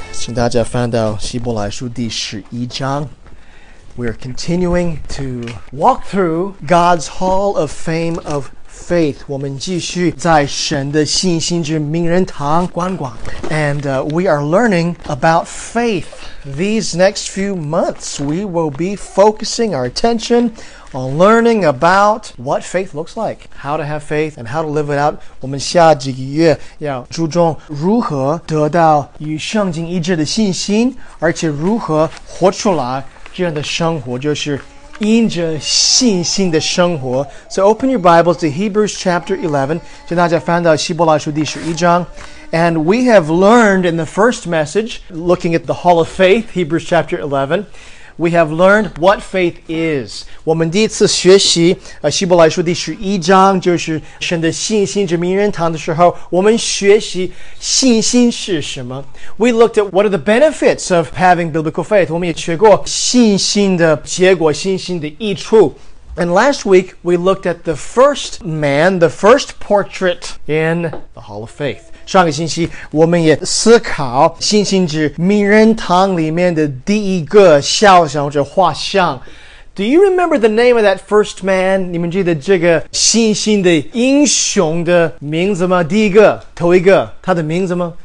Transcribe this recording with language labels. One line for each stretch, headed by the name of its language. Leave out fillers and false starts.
Chinese: 请大家翻到希伯来书第十一章。
English: We are continuing to walk through God's Hall of Fame of Faith.
Chinese: 我们继续在神的信心之名人堂观光。
English: And we are learning about faith. These next few months, we will be focusing our attention on learning about what faith looks like. How to have faith and how to live it out.
Chinese: 我们下几个月要注重如何得到与圣经一致的信心，而且如何活出来。这样的生活就是因着信心的生活。
English: So open your Bibles to Hebrews chapter 11.
Chinese: 请大家翻到希伯来书第十一章。
English: And we have learned in the first message, looking at the Hall of Faith, Hebrews chapter 11, we have learned what faith is.
Chinese: 我们第一次学习希伯来书第十一章，就是神的信心之名人堂的时候，我们学习信心是什么。
English: We looked at what are the benefits of having biblical faith.
Chinese: 我们也学过信心的结果，信心的益处。
English: And last week, we looked at the first man, the first portrait in the Hall of Faith.
Chinese: 上个星期我们也思考信心之名人堂里面的第一个肖像或者画像。
English: Do you remember the name of that first man?
Chinese: 你们记得这个信心的英雄的名字吗？第一个，头一个，他的名字吗？